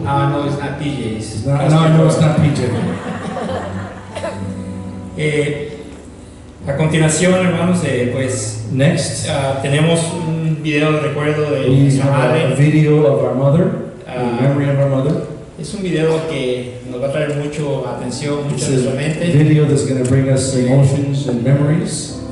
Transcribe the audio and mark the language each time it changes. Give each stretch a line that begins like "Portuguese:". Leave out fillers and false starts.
English: Now I know it's not PJ. It's not, now I know it's not PJ.
Spanish: A continuación, hermanos, pues
English: next,
Spanish: tenemos un video de recuerdo de nuestra madre.
English: A video of our mother, memory of our mother.
Spanish: Es un video que nos va a traer mucho atención, mucho en su mente.
English: Video that's going to bring us emotions and memories.